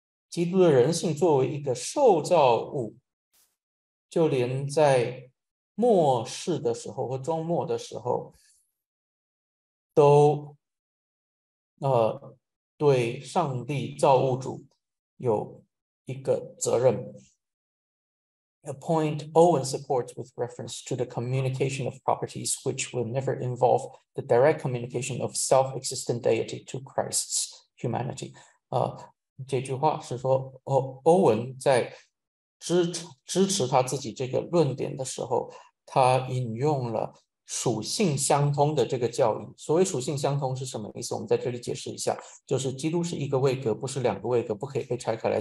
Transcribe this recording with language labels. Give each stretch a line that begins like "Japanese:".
Chinese: 基督的人性作为一个受造物，就连在末世的时候和终末的时候，都对上帝造物主有一个责任。
English: A point Owen supports with reference to the communication of properties which will never involve the direct communication of self-existent deity to Christ's humanity。
Chinese: 这句话是说，欧文在支持他自己这个论点的时候，他引用了属性相通的这个教义。所谓属性相通是什么意思？我们在这里解释一下，就是基督是一个位格，不是两个位格，不可以被拆开来。